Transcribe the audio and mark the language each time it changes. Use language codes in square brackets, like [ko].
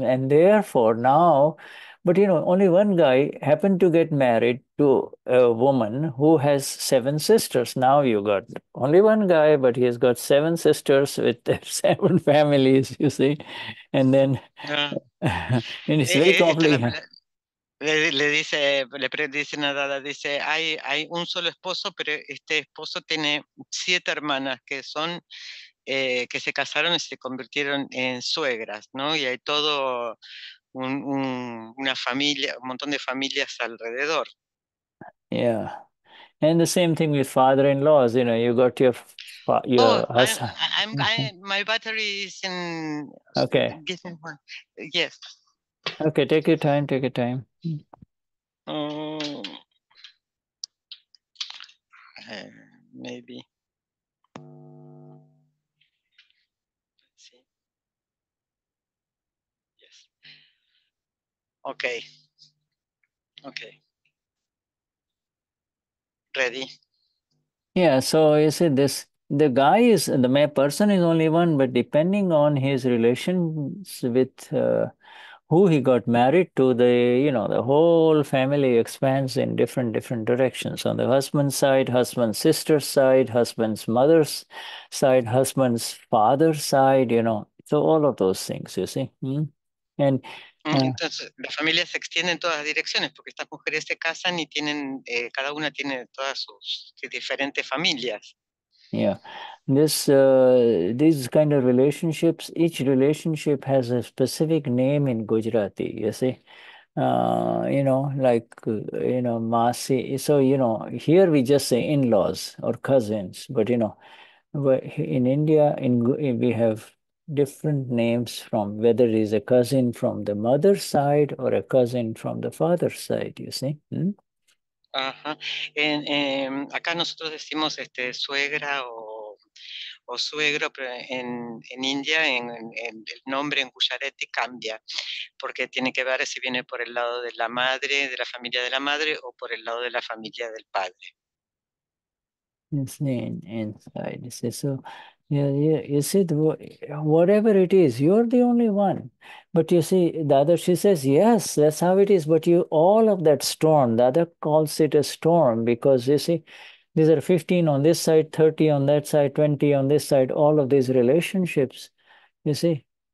[en] And therefore now, but, you know, only one guy happened to get married to a woman who has seven sisters. Now you got only one guy, but he has got seven sisters with their seven families, you see. And then, and it's very complicated. [es] Le dice, le predice nada, dice, hay un solo esposo, pero este esposo tiene siete hermanas que son, que se casaron y se convirtieron en suegras, ¿no? Y hay todo una familia, un montón de familias alrededor. [en] Yeah. And the same thing with father-in-laws, you know, you got your husband. My battery is in... Okay. Yes. Okay, take your time. Maybe. See. Yes. Okay. Ready. Yeah, so you see this, the guy is, the person is only one, but depending on his relations with... who he got married to, the, you know, the whole family expands in different directions. On the husband's side, husband's sister's side, husband's mother's side, husband's father's side, you know. So all of those things, you see. Mm-hmm. And [es] entonces, la familia se extiende en todas direcciones porque estas mujeres se casan y tienen, cada una tiene todas sus diferentes familias. [en] Yeah, this these kind of relationships, each relationship has a specific name in Gujarati, you see, you know, like, you know, Masi. So, you know, here we just say in-laws or cousins, but, you know, in India, we have different names from whether it is a cousin from the mother's side or a cousin from the father's side, you see. Hmm? Ajá. [es] Acá nosotros decimos suegra o suegro, pero en India en el nombre en Gujarati cambia, porque tiene que ver si viene por el lado de la madre, de la familia de la madre, o por el lado de la familia del padre. [en] Inside. So, you see, whatever it is, you're the only one. But you see, Dada, she says, yes, that's how it is. But you, all of that storm, Dada calls it a storm because, you see, these are 15 on this side, 30 on that side, 20 on this side, all of these relationships, you see.